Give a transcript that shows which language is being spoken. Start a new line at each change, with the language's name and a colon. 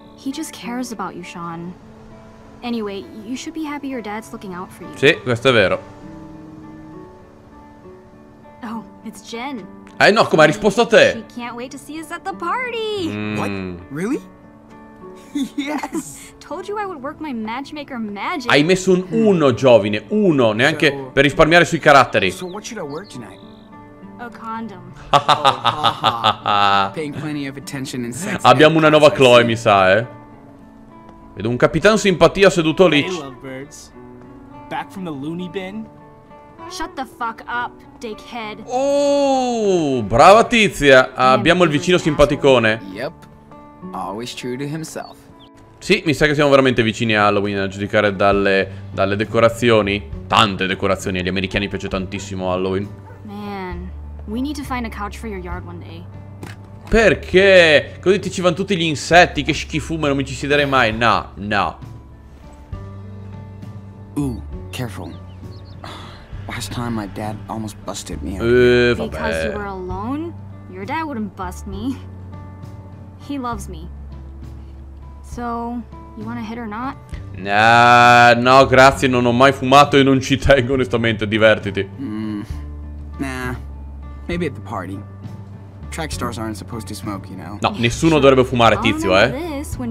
English: He just cares about you, Sean. Anyway, you should be happy your dad's looking out for you.
Italian: Sì, questo è vero.
English: Oh, it's Jen.
Italian: No, come ha risposto a te?
English: She can't wait to see us at the party. What? Really? Yes. Told you I would work my matchmaker magic.
Italian: Hai messo un uno, giovine, uno, neanche so, per risparmiare sui caratteri.
English: So what should I wear tonight? A condom. Paying plenty of attention and sex.
Italian: Abbiamo una nuova Chloe, mi sa, eh. Vedo un capitano simpatia seduto lì.
English: I love birds. Back from the loony bin. Shut the fuck up, dickhead.
Italian: Oh, brava tizia. Abbiamo il vicino simpaticone.
English: Yep. Always true to himself.
Italian: Sì, mi sa che siamo veramente vicini a Halloween, a giudicare dalle decorazioni. Tante decorazioni, agli americani piace tantissimo Halloween.
English: Man, we need to find a couch for your yard one day.
Italian: Perché? Così ti ci vanno tutti gli insetti, che schifume, non mi ci siederei mai. No, no.
English: Ooh, careful. Last time my dad almost busted me.
Italian: Vabbè.
English: Because you were alone, your dad wouldn't bust me. He loves me. So, you want a hit or not?
Italian: No, grazie, non ho mai fumato e non ci tengo, onestamente, divertiti.
English: Nah, maybe at the party. Track stars aren't supposed to smoke, you know?
Italian: No, nessuno dovrebbe fumare, tizio, eh.